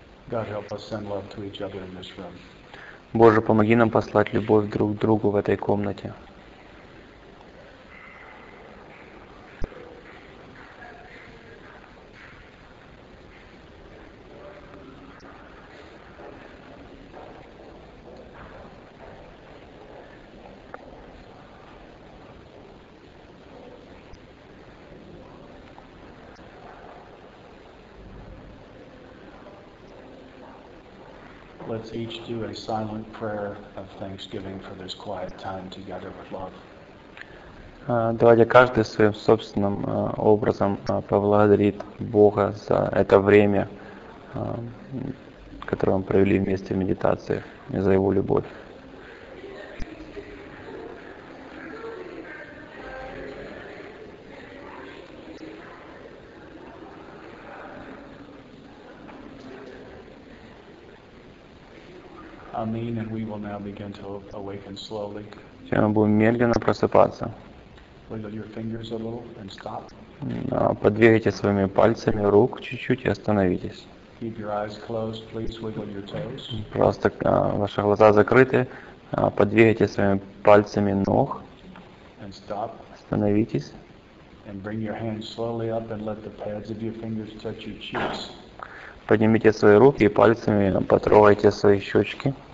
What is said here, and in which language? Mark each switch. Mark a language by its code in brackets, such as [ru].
[en] God help us send love to each other in this room. [ru] Боже, помоги нам послать любовь друг к другу в этой комнате. [en] Let's each do a silent prayer of thanksgiving for this quiet time together with love. [ru] Давайте каждый своим собственным образом поблагодарит Бога за это время, которое мы провели вместе в медитации, и за Его любовь. [en] Amen, and we will now begin to awaken slowly. [ru] Сейчас мы будем медленно просыпаться. [en] Wiggle your fingers a little and stop. [ru] Подвигайте своими пальцами рук чуть-чуть и остановитесь. [en] Keep your eyes closed, please wiggle your toes. [ru] Просто ваши глаза закрыты, подвигайте своими пальцами ног. [en] And stop. [ru] Остановитесь. [en] And bring your hands slowly up and let the pads of your fingers touch your cheeks. [ru] Поднимите свои руки и пальцами потрогайте свои щечки.